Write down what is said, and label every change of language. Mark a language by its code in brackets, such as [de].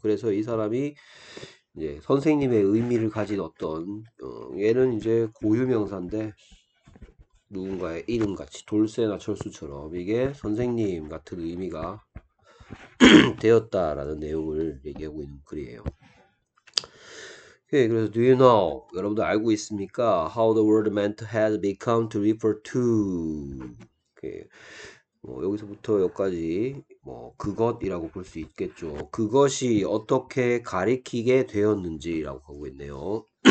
[ko] 그래서 이 사람이 이제 선생님의 의미를 가진 어떤 얘는 이제 고유 명사인데 누군가의 이름 같이 돌쇠나 철수처럼 이게 선생님 같은 의미가 되었다라는 내용을 얘기하고 있는 글이에요. 예, 그래서 [en] do you know [ko] 여러분들 알고 있습니까? [en] How the word meant has become to refer to. [ko] 여기서부터 여기까지 그것이라고 볼수 있겠죠. 그것이 어떻게 가리키게 되었는지라고 하고 있네요.